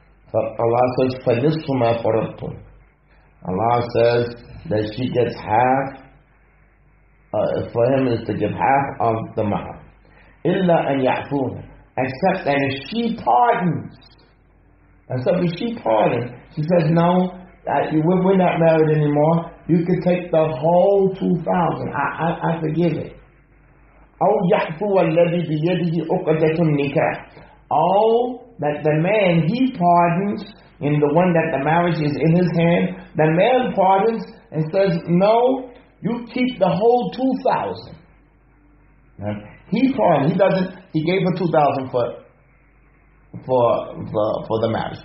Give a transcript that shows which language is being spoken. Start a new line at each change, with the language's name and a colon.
English: So Allah says, فَنِصْفُ مَا فَرَضْتُمْ. Allah says that she gets half, for him is to give half of the mahar.
Arabic: إِلَّا أَنْ يَعْفُونَ.
English: Except that if she pardons, except if she pardons, she says, no, we're not married anymore. You can take the whole 2,000. I forgive it.
Arabic: أو يحفو الذي بيده أقدة النكاح.
English: All that the man, he pardons, in the one that the marriage is in his hand, the man pardons and says, no, you keep the whole 2,000. He pardons, he gave her 2,000 for the marriage.